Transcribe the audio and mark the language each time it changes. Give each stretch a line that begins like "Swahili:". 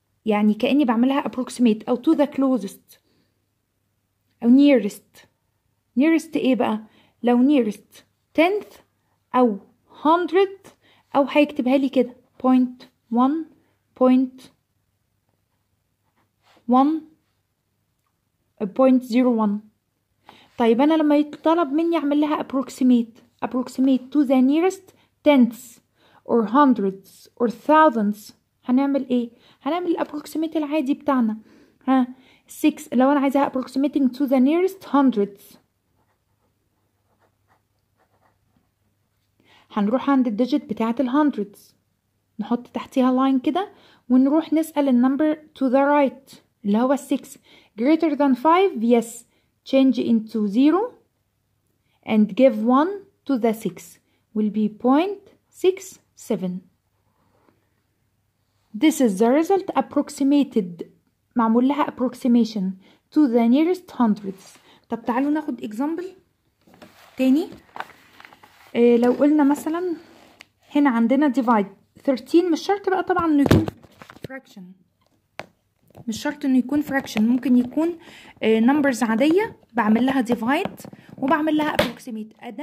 Arabic: يعني كأني بعملها approximate أو to the closest أو nearest. nearest إيه بقى؟ لو nearest tenth أو hundredth أو هيكتبها لي كده point one point one 0.01. طيب انا لما يطلب مني اعمل لها
English: approximate to the nearest tenths or hundreds or thousands
Arabic: هنعمل ايه؟ هنعمل الapproximate العادي بتاعنا. ها 6 لو انا عايزها
English: approximating to the nearest hundreds
Arabic: هنروح عند الديجيت بتاعت الhundreds نحط تحتها line كده ونروح نسأل النمبر to the right اللي هو 6.
English: Greater than 5, yes. Change into 0 and give 1 to the 6. Will be 0.67. This is the result approximated.
Arabic: معمول لها
English: approximation to the nearest hundreds.
Arabic: طب تعالوا ناخد example تاني. لو قلنا مثلا هنا عندنا divide 13 مش شرط بقى طبعا انه يكون fraction. مش شرط انه يكون fraction ممكن يكون numbers عادية بعمل لها divide وبعمل لها approximate.